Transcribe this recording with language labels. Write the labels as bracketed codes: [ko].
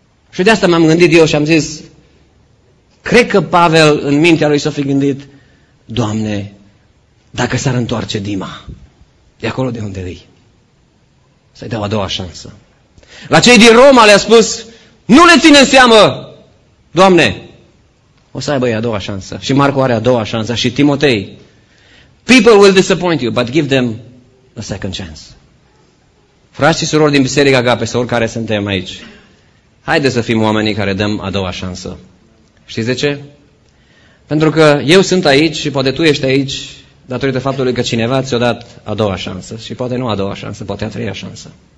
[ro] Și de asta m-am gândit eu și am zis, cred că Pavel în mintea lui s-a fi gândit, Doamne, dacă s-ar întoarce Dima, de acolo de unde e, să-i dau a doua șansă. La cei din Roma le-a spus, nu le ține în seamă, Doamne, o să aibă ei a doua șansă. Și Marco are a doua șansă și Timotei. [en] People will disappoint you, but give them a second chance. [ro] Frați și surori din Biserica Agape, sau oricare suntem aici, haideți să fim oamenii care dăm a doua șansă. Știți de ce? Pentru că eu sunt aici și poate tu ești aici datorită faptului că cineva ți-a dat a doua șansă și poate nu a doua șansă, poate a treia șansă.